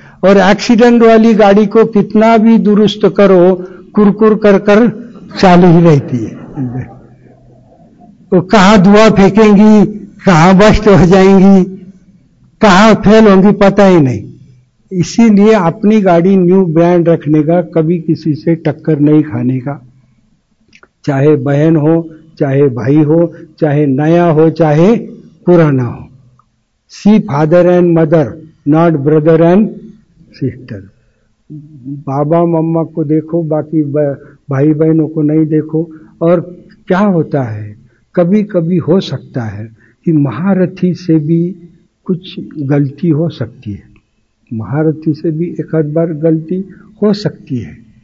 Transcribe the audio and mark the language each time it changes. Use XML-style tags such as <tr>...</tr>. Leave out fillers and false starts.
<hi>और एक्सीडेंट वाली गाड़ी को कितना भी दुरुस्त करो, कुरकुर कर कर चालू ही रहती है। तो कहां धुआं फेंकेंगी, कहां बस्ट हो जाएंगी, कहां फेल होंगी पता ही नहीं। इसीलिए अपनी गाड़ी न्यू ब्रांड रखने का, कभी किसी से टक्कर नहीं खाने का। चाहे बहन हो, चाहे भाई हो, चाहे नया हो, चाहे पुराना हो।</hi> <en>See father and mother, not brother and sister.</en> <hi>बाबा मम्मा को देखो, बाकी भाई बहनों को नहीं देखो। और क्या होता है, कभी कभी हो सकता है कि महारथी से भी कुछ गलती हो सकती है, महारथी से भी एक आध बार गलती हो सकती है।</hi>